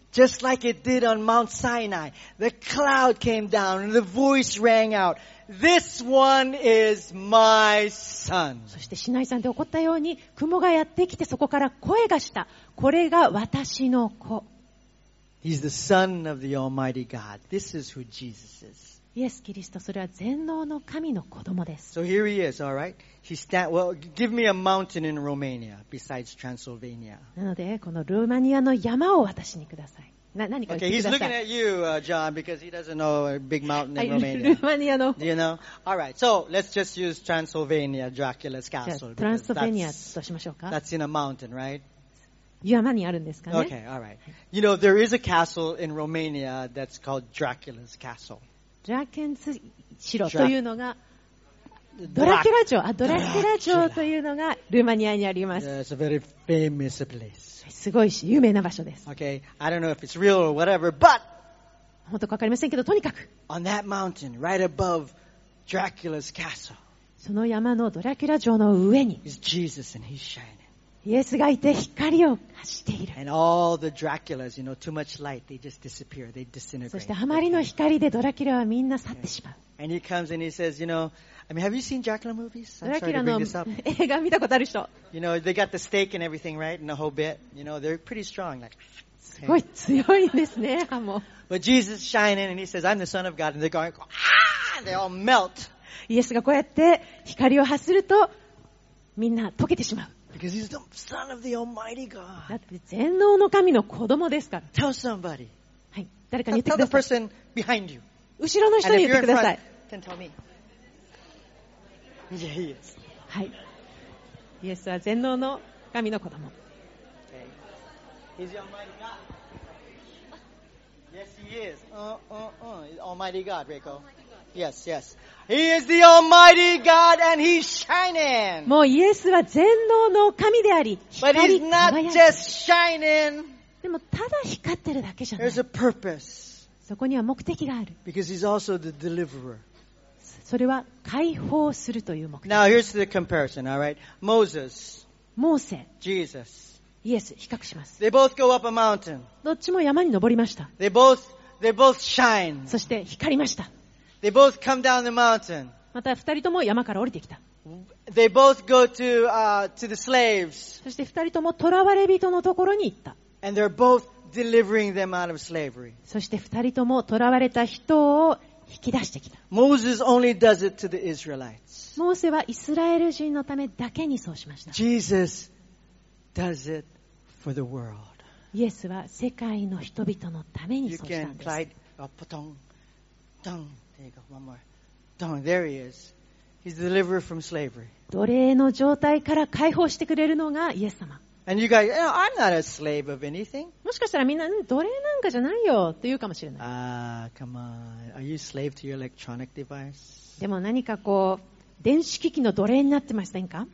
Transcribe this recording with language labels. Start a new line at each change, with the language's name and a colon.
English: Just like it did on Mount Sinai, the cloud came down and the voice rang out, "This one is my son."
Japanese: そしてシナイ山で起こったように雲がやってきて、そこから声がした。これが私の子。
English: He's the Son of the Almighty God. This is who Jesus is.
Japanese: イエス・キリスト、それは全能の神の子供です。
English: So here he is, all right? He stand, well, give me a mountain in Romania besides Transylvania.
Japanese: なので、このルーマニアの山を私にください。何か
English: okay, he's looking at you, John, because he doesn't know a big mountain in Romania. Do you know? All right, so let's just use Transylvania, Dracula's castle.
Japanese: Transylvania としましょうか。
English: That's in a mountain, right?
Japanese: 山にあるんですかね。
English: Okay, all right. You know, there is a castle in Romania that's called Dracula's castle.
Japanese: Dracula's 城というのが、ドラキュラ城、ドラキュラ城というのがルーマニアにあります。
English: Yeah, it's a very famous place.
Japanese: すごい有名な場所です。
English: Okay, I don't know if it's real or whatever, but
Japanese: 本当かわかりませんけど、とにかく。
English: On that mountain, right above Dracula's castle.
Japanese: その山のドラキュラ城の上に。
English: Is Jesus and he's shining.
Japanese: イエスがいて光を発している。
English: And all the Draculas, you know, too much light, they just disappear, they disintegrate.
Japanese: そしてあまりの光でドラキュラはみんな去ってしまう。
English: Yeah. And he comes and he says, you know, I mean, have you seen Dracula movies?
Japanese: ドラキュラの映画見たことある人。
English: You know, they got the stake and everything, right? And the whole bit. You know, they're pretty strong. Like,
Japanese: すごい強いですね、歯も。
English: But Jesus shining and he says, I'm the Son of God. And they're going, ah! They all melt.
Japanese: イエスがこうやって光を発すると、みんな溶けてしまう。
English: Because he's the son of the Almighty God.
Japanese: だって全能の神の子供ですから。
English: Tell somebody.
Japanese: はい、誰かに言ってください。
English: Tell the person behind you.
Japanese: 後ろの人に言ってください。
English: Then tell me. Yeah, yes.
Japanese: はい。イエスは全能の神の子供。
English: Okay. He's the Almighty God. Yes, he is. Almighty God, Rico. Yes, yes. He is the Almighty God and He's shining!
Japanese: もうイエスは全能の神であり、光り輝いている。
English: But He's not just shining!
Japanese: でもただ光ってるだけじゃない。
English: There's a purpose.
Japanese: そこには目的がある。
English: Because He's also the deliverer.
Japanese: それは解放するという目的。
English: Now here's the comparison, alright? Moses.
Japanese: モーセ。
English: Jesus.
Japanese: イエス、比較します。
English: They both go up a mountain.
Japanese: どっちも山に登りました。
English: They both shine.
Japanese: そして光りました。
English: They both come down the mountain.
Japanese: また二人とも山から降りてきた。
English: They both go to the slaves.
Japanese: そして二人とも囚われ人のところに行った。
English: And they're both delivering them out of slavery.
Japanese: そして二人とも囚われた人を引き出してきた。
English: Moses only does it to the Israelites.
Japanese: モーセはイスラエル人のためだけにそうしました。
English: Jesus does it for the world.
Japanese: イエスは世界の人々のためにそうしたんです。
English: You can slide up, ton, ton. There you go. One more. Ton. There he is. He's the deliverer from slavery.
Japanese: 奴隷の状態から解放してくれるのがイエス様。
English: And you guys, you know, I'm not a slave of anything.
Japanese: もしかしたらみんな奴隷なんかじゃないよって言うかもしれない。
English: Come on. Are you slave to your electronic device?
Japanese: でも何かこう電子機器の奴隷になってませんか？